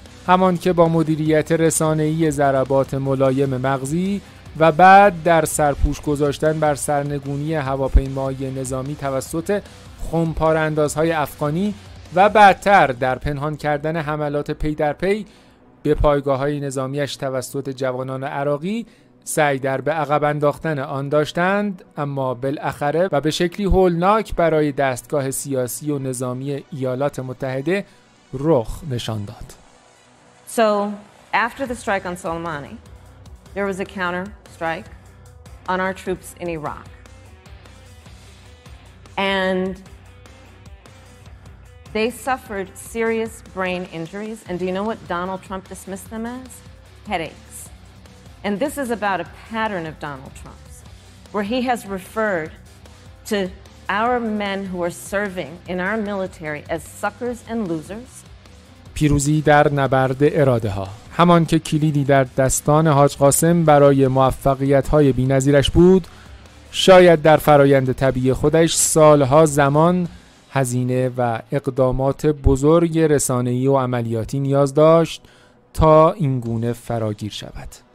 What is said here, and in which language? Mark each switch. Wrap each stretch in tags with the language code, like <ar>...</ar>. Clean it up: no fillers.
<fa>همان که با مدیریت رسانه‌ای ضربات ملایم مغزی و بعد در سرپوش گذاشتن بر سرنگونی هواپیمای نظامی توسط خمپاراندازهای افغانی و بعدتر در پنهان کردن حملات پی در پی به پایگاه‌های نظامیش توسط جوانان عراقی سعی در به عقب انداختن آن داشتند، اما بالاخره و به شکلی هولناک برای دستگاه سیاسی و نظامی ایالات متحده رخ نشان داد.</fa> <en>So after the strike on Soleimani, there was a counter strike on our troops in Iraq. And they suffered serious brain injuries, and do you know what Donald Trump dismissed them as? Headaches. And this is about a pattern of Donald Trump's, where he has referred to our men who are serving in our military as suckers and losers.</en> <fa>پیروزی در نبرد اراده ها، همان که کلیدی در دستان حاج قاسم برای موفقیت های بی نظیرش بود، شاید در فرایند طبیعی خودش سالها زمان، هزینه و اقدامات بزرگ رسانه‌ای و عملیاتی نیاز داشت تا این گونه فراگیر شود.</fa>